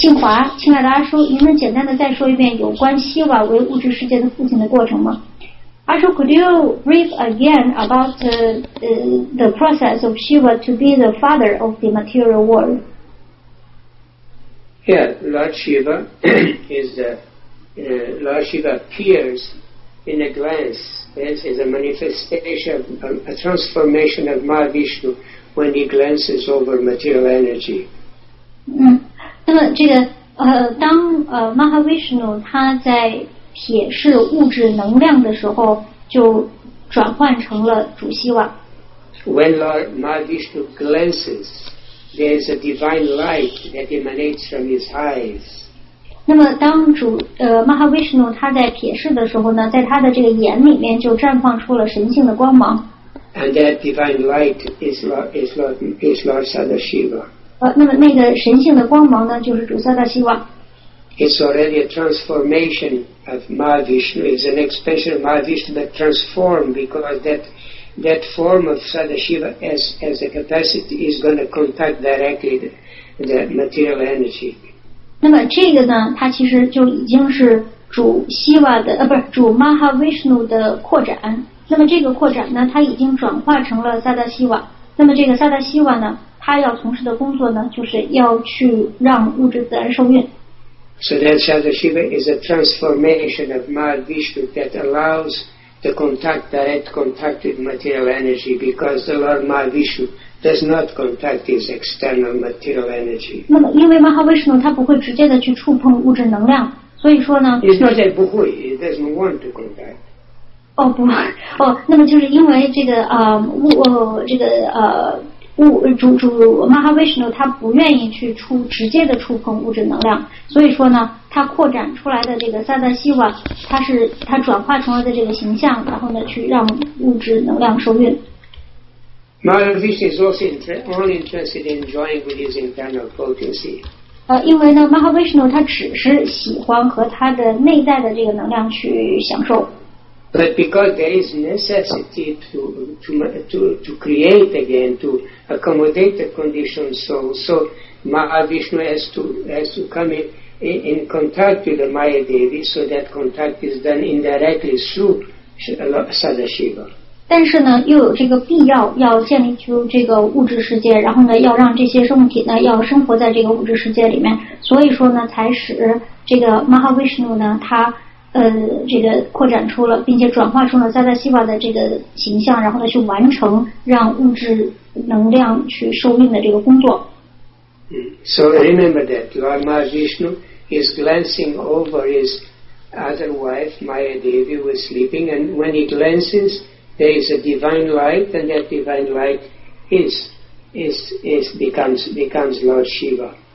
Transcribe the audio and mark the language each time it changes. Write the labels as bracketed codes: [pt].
[zh] 静华，亲爱的阿叔，您能简单的再说一遍有关希瓦为物质世界的父亲的过程吗？ [en] 阿叔 ，could you brief again about the process of Shiva to be the father of the material world? Yeah, Lord Shiva is the Lord Shiva appears. In a glance, this is a manifestation, a transformation of Mahavishnu when he glances over material energy. [zh] 那么这个当Mahavishnu 他在瞥视物质能量的时候，就转换成了主希瓦。 [en] When Lord Mahavishnu glances, there is a divine light that emanates from his eyes. [zh] 那么当主Mahavishnu 他在瞥视的时候呢，在他的这个眼里面就绽放出了神性的光芒。 [en] And that divine light is Lord Sadashiva. [zh] 那么那个神性的光芒呢，就是主萨达西瓦。 [en] It's already a transformation of Mahavishnu. It's an expression of Mahavishnu that transformed because that form of Sadashiva as a capacity is going to contact directly the material energy. [zh] 那么这个呢，它其实就已经是主希瓦的不是主 Mahavishnu 的扩展。那么这个扩展呢，它已经转化成了萨达希瓦。那么这个萨达希瓦呢，它要从事的工作呢，就是要去让物质自然受孕。 [en] So that Sadashiva is a transformation of Mahavishnu that allows the contact direct contact with material energy because the Lord Mahavishnu. Does not contact his external material energy. [zh] 那么，因为 Mahavishnu 他不会直接的去触碰物质能量，所以说呢 [en] ，It's not that [zh] 不会 [en] ，It doesn't want to contact. [zh] 哦不，哦，那么就是因为这个物这个物主 Mahavishnu 他不愿意去直接的触碰物质能量，所以说呢，他扩展出来的这个萨达西瓦，他转化成了的这个形象，然后呢，去让物质能量受孕。 [en] Mahavishnu is also only interested in joining with his internal potency. [zh] 因为呢 ，Mahavishnu 他只是喜欢和他的内在的这个能量去享受。 [en] But because there is necessity to create again to accommodate the conditioned soul, so Mahavishnu has to come in contact with the Maya Devi, so that contact is done indirectly through Sadashiva. [zh] 但是呢又有这个必要建立出这个物质世界然后呢要让这些生物体呢要生活在这个物质世界里面所以说呢才使这个 Mahavishnu 呢他这个扩展出了并且转化出了萨达西瓦的这个形象然后呢去完成让物质能量去受命的这个工作。 [en] So remember that Lord Mahavishnu is glancing over his other wife Maya Devi who is sleeping and when he glancesThere is a divine light, and that divine light becomes Lord Shiva.